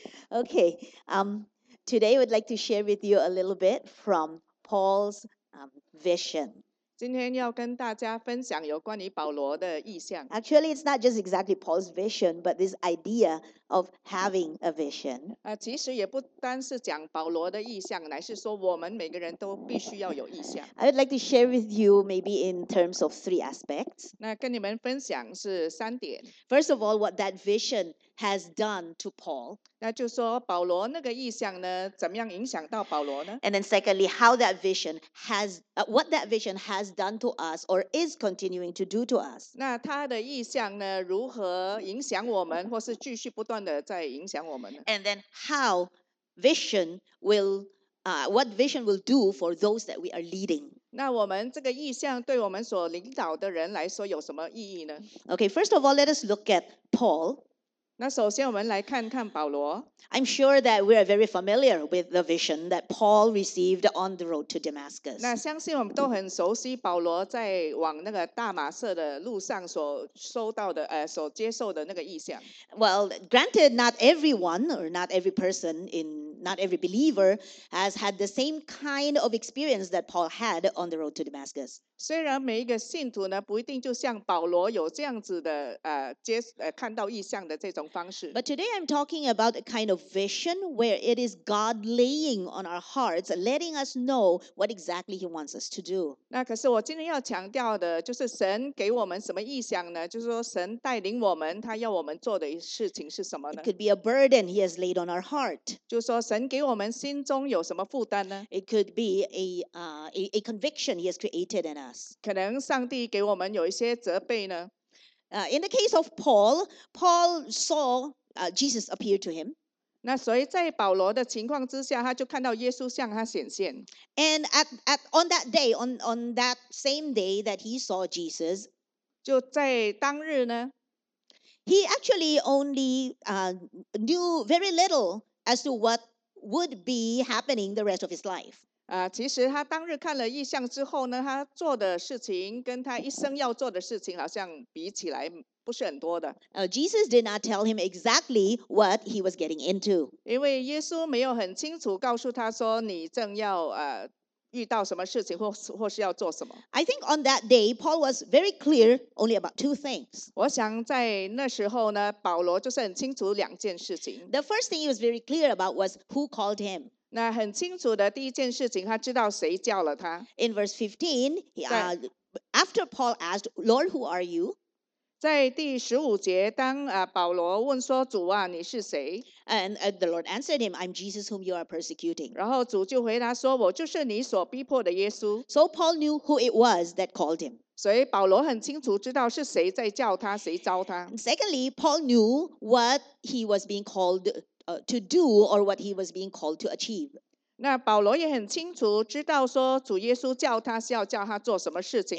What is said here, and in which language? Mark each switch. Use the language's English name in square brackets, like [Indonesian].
[English] Okay, today we'd like to share with you a little bit from Paul's vision. [Chinese] 今天要跟大家分享有关于保罗的意象。 [English] Actually, it's not just exactly Paul's vision, but this idea of having a vision. [Chinese] 其实也不单是讲保罗的意象，乃是说我们每个人都必须要有意象。 [English] I'd like to share with you maybe in terms of three aspects. [Chinese] 那跟你们分享是三点。 [English] First of all, what that vision has done to Paul. [Chinese] 那就说保罗那个意象呢，怎么样影响到保罗呢？ [English] And then secondly, how that vision has, what that vision has done to us or is continuing to do to us. [Chinese] 那他的意象呢，如何影响我们，或是继续不断 [English] And then how vision will, what vision will do for those that we are leading. [Chinese] 那我们这个意象对我们所领导的人来说有什么意义呢？ [English] Okay, first of all, let us look at Paul. [Chinese] 那首先我们来看看保罗。 [English] I'm sure that we are very familiar with the vision that Paul received on the road to Damascus. [Chinese] 那相信我们都很熟悉保罗在往那个大马色的路上所收到的，所接受的那个意象。 [English] Well, granted, not everyone or not every person in, not every believer has had the same kind of experience that Paul had on the road to Damascus. [Chinese] 虽然每一个信徒呢，不一定就像保罗有这样子的，看到意象的这种方式。 [English] But today I'm talking about a kind of vision where it is God laying on our hearts, letting us know what exactly He wants us to do. [Chinese] 那可是我今天要强调的，就是神给我们什么意象呢？就是说神带领我们，他要我们做的事情是什么呢？ [English] It could be a burden He has laid on our heart. [Chinese] 就是说神给我们心中有什么负担呢？ [English] It could be a conviction He has created in us. [Chinese] 可能上帝给我们有一些责备呢？ [English] In the case of Paul, Paul saw Jesus appear to him. [Chinese] 那所以在保罗的情况之下，他就看到耶稣向他显现。 [English] And on that day, on that same day that he saw Jesus, [Chinese] 就在当日呢， [English] he actually only knew very little as to what would be happening the rest of his life. [Chinese] 其实他当日看了异象之后呢，他做的事情跟他一生要做的事情好像比起来。不是很多的。 [English] Jesus did not tell him exactly what he was getting into. [Chinese] 因为耶稣没有很清楚告诉他说你正要遇到什么事情 或是要做什么。 [English] I think on that day, Paul was very clear only about two things. [Chinese] 我想在那时候呢，保罗就是很清楚两件事情。 [English] The first thing he was very clear about was who called him. [Chinese] 那很清楚的第一件事情，他知道谁叫了他。 [English] In verse 15, after Paul asked, Lord, who are you? [Chinese] 在第十五节，当保罗问说：“主啊，你是谁？” [English] And the Lord answered him, "I'm Jesus whom you are persecuting." [Chinese] 然后主就回答说：“我就是你所逼迫的耶稣。” [English] So Paul knew who it was that called him. [Chinese] 所以保罗很清楚知道是谁在叫他，谁招他。 [English] Secondly, Paul knew what he was being called to do, or what he was being called to achieve. [Chinese] 那保罗也很清楚知道说主耶稣叫他是要叫他做什么事情，